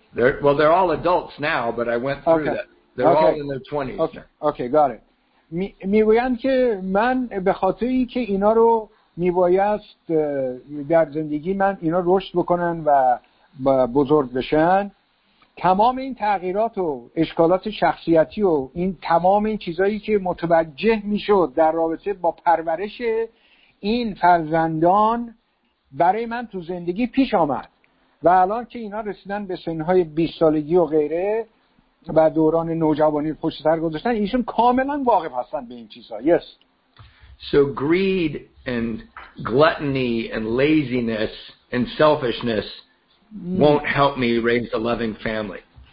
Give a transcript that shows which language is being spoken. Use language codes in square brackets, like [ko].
[en] They're all adults now, but I went through okay. that. They're okay. all in their 20s. Okay, got it. [fa] میگویند که من به خاطر اینکه اینا رو میبایست در زندگی من اینا رشد بکنن و بزرگ بشن تمام این تغییرات و اشکالات شخصیتی و این تمام این چیزایی که متوجه میشد در رابطه با پرورش این فرزندان برای من تو زندگی پیش آمد و الان که اینا رسیدن به سنهای 20 سالگی و غیره و دوران نوجوانی پشت سر گذاشتن ایشون کاملا واقف هستن به این چیزها. [en] Yes. So greed and gluttony and laziness and selfishness won't help me raise a loving family.